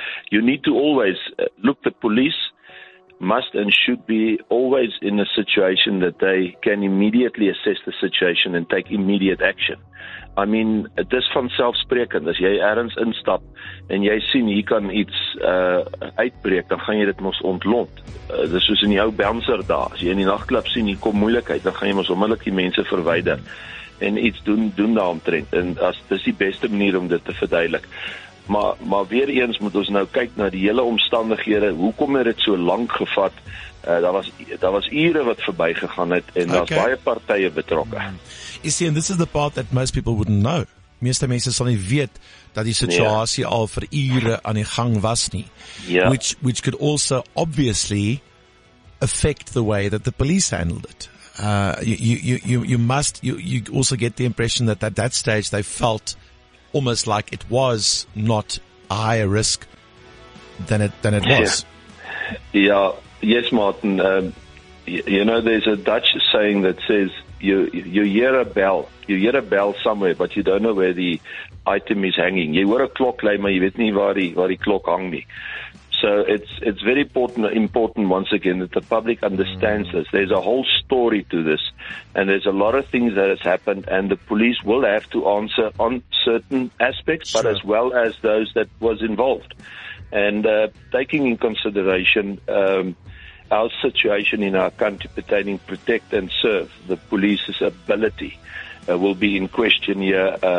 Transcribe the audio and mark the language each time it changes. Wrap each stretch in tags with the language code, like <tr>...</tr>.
<en>You need to always look, the police must and should be always in a situation that they can immediately assess the situation and take immediate action. I mean,</en> <af>dit is van selfsprekend. As jy ergens instap en jy sien hier kan iets uitbreek, dan gaan jy dit mos ontlont. Dit is soos in die ou bouncer daar. As jy in die nachtklub sien, hier kom moeilikheid, dan gaan jy mos onmiddellik die mense verwyder en iets doen daaromtrent. En as dit is die beste manier om dit te verduidelik. Maar weer eens moet ons nou kyk na die hele omstandighede. Hoekom het dit so lank gevat? Daar was ure wat verby gegaan het en daar's baie partye betrokke.</af> <en>You see, and this is the part that most people wouldn't know.</en> <af>Meeste mense sal nie weet dat die situasie al vir ure aan die gang was nie.</af> <en>Yeah. Which could also obviously affect the way that the police handled it. You also get the impression that at that stage they felt almost like it was not a higher risk than it was. Yeah. Yes, Martin. You know, there's a Dutch saying that says you hear a bell. You hear a bell somewhere, but you don't know where the item is hanging. You hear a clock,</en> <af>maar jy weet nie waar die klok hang nie.</af> <en>So it's very important once again that the public understands this. There's a whole story to this, and there's a lot of things that has happened, and the police will have to answer on certain aspects, sure, but as well as those that was involved. And taking in consideration our situation in our country pertaining protect and serve, the police's ability will be in question here.</en>